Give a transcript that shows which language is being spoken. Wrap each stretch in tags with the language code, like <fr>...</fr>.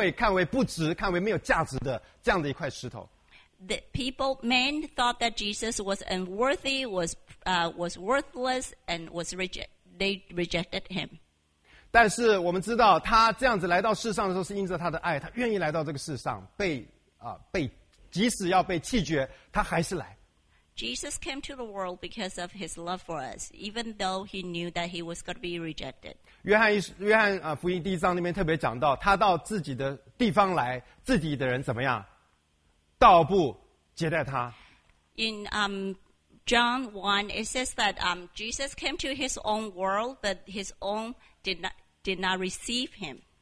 <zh>也就是拒绝，而且抵挡，甚至看为污秽、看为不值、看为没有价值的这样的一块石头。</zh> <en>The people, men, thought that Jesus was unworthy, was worthless, and was rejected. They rejected him.</en> <zh>但是我们知道，他这样子来到世上的时候，是因着他的爱，他愿意来到这个世上，被。即使要被弃绝，他还是来。Jesus</zh> <en>came to the world because of his love for us, even though he knew that he was going to be rejected.</en> <zh>约翰福音第一章里面特别讲到，他到自己的地方来，自己的人怎么样，倒不接待他。</zh> <en>In John 1, it says that Jesus came to his own world, but his own did not receive him.</en>